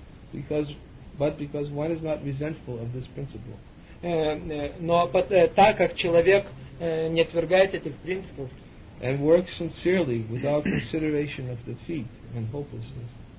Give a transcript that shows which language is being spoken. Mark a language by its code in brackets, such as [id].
[en] Because one is not resentful of this principle. [ru] Так как человек не отвергает этих принципов. [en] And works sincerely without consideration of defeat and hopelessness.